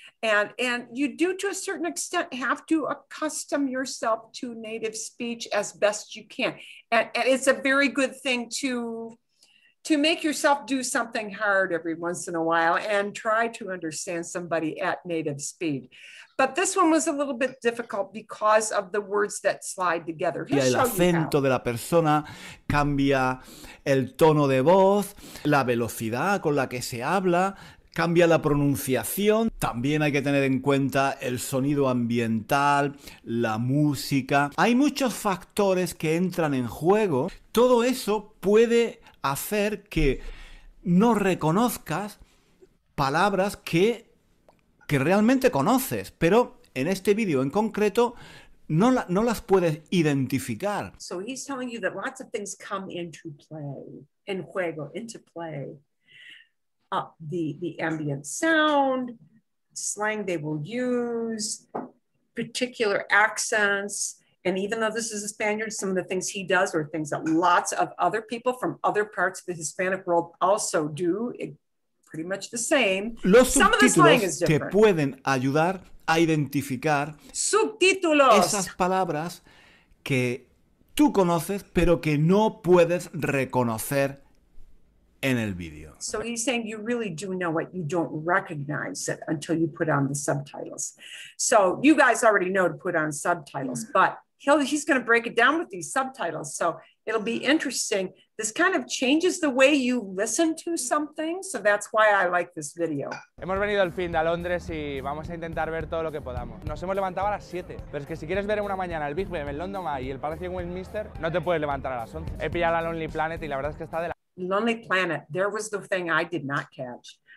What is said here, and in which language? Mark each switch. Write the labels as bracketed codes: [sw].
[en] And you do, to a certain extent, have to accustom yourself to native speech as best you can. And it's a very good thing to make yourself do something hard every once in a while and try to understand somebody at native speed. But this one was a little bit difficult because of the words that slide together. [es] Y el acento de la persona cambia, el tono de voz, la velocidad con la que se habla. Cambia la pronunciación. También hay que tener en cuenta el sonido ambiental, la música. Hay muchos factores que entran en juego. Todo eso puede hacer que no reconozcas palabras que realmente conoces. Pero en este vídeo en concreto, no las puedes identificar. [en] So he's telling you that lots of things come into play, en juego, into play. The ambient sound, slang they will use, particular accents. And even though this is a Spaniard, some of the things he does are things that lots of other people from other parts of the Hispanic world also do, pretty much the same. [es] Los subtítulos te pueden ayudar a identificar subtítulos. Esas palabras que tú conoces, pero que no puedes reconocer en el video. [en] So he's saying you really do know what you don't recognize it until you put on the subtitles. So you guys already know to put on subtitles, but he's going to break it down with these subtitles. So it'll be interesting. This kind of changes the way you listen to something. So that's why I like this video. [es] Hemos venido el fin de a Londres y vamos a intentar ver todo lo que podamos. Nos hemos levantado a las 7, pero es que si quieres ver en una mañana el Big Ben, el London Eye y el Palacio Westminster, no te puedes levantar a las 11. He pillado la Lonely Planet y la verdad es que está de la [en] Lonely Planet, there was the thing I did not catch.